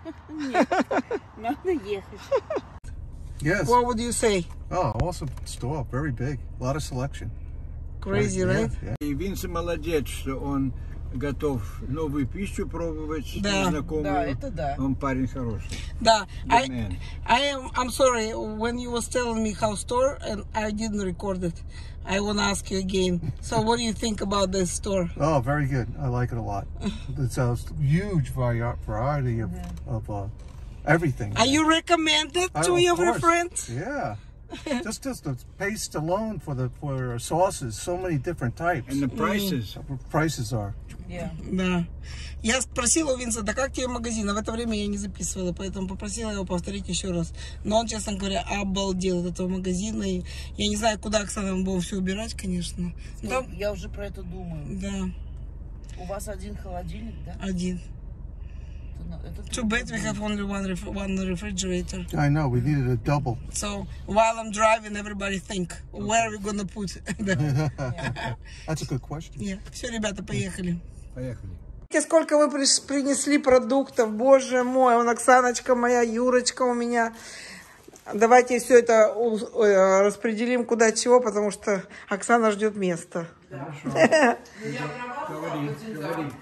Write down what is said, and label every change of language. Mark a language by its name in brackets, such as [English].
[Russian] Нет, надо ехать. [English] Yes. What would you say? Oh, awesome store, very big, a lot of selection. Crazy, yeah, right? Yeah. [Russian] И Винсент молодец, что он готов новую пищу пробовать, да. Знакомую. Да, это да. Он парень хороший. Да. [English] I'm sorry, when you was telling me how store, and I didn't record it. I want to ask you again. So what do you think about this store? Oh, very good. I like it a lot. It's a huge variety of everything. Are you recommended to your friends? Yeah. just the paste alone for sauces, so many different types. And the prices. Prices are [Russian] Да. Я спросила у Винса, да как тебе магазин? А в это время я не записывала, поэтому попросила его повторить еще раз. Но он, честно говоря, обалдел от этого магазина. И я не знаю, куда, Оксана, мы будем все убирать, конечно. Там... Я уже про это думаю. Да. У вас один холодильник, да? [English] Один. Two batteries have only one refrigerator. I know, we needed a double. So, while I'm driving, everybody think, where are we going to put that? That's a good question. [Russian] Yeah. Все, ребята, поехали. Поехали. Смотрите, сколько вы принесли продуктов. Боже мой, он Оксаночка моя, Юрочка у меня. Давайте все это распределим куда чего, потому что Оксана ждет места. Говори,